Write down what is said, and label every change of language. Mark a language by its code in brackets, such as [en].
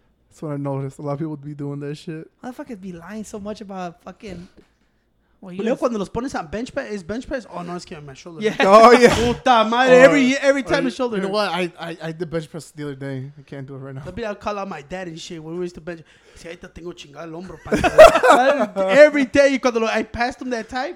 [en] That's what I noticed. A lot of people would be doing that shit. Why the fuck is be lying so much about fucking... Well, you know, when you put them on bench press, is bench press? Oh, no, it's getting my shoulder. Yeah. Oh, yeah. [es] Puta madre. [en] Every time the shoulder. You know what? I did bench press the other day. I can't do it right now. Maybe I'll call out my dad and shit. Where is the bench? [es] Si, ahí te tengo chingado el hombro, pancho. [en] Every day, [es] cuando lo, [en] I passed him that time.